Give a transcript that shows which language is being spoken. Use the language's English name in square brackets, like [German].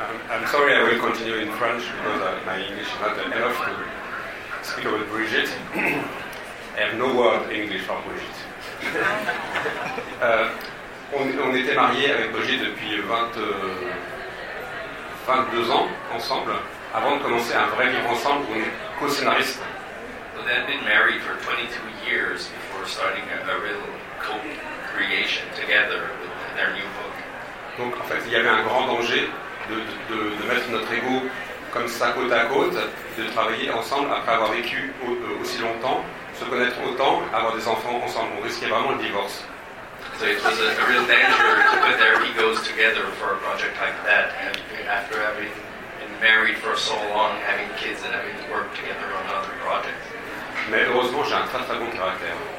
[English] I'm sorry, I will continue in French because my English is not enough to speak with Brigitte. I have no word in English for Brigitte. [French] On était mariés avec Brigitte depuis 22 ans ensemble, avant de commencer un vrai livre ensemble, on est co-scénariste. [English] So they had been married for 22 years before starting a real co-creation together with their new book. [French] Donc en fait, il y avait un grand danger de mettre notre ego comme ça côte à côte, de travailler ensemble après avoir vécu aussi longtemps, se connaître autant, avoir des enfants ensemble. On risquait vraiment le divorce. [English] So it was a real danger to put their egos together for a project like that. And after having been married for so long, having kids and having worked together on other projects. [French] Mais heureusement, j'ai un très très bon caractère.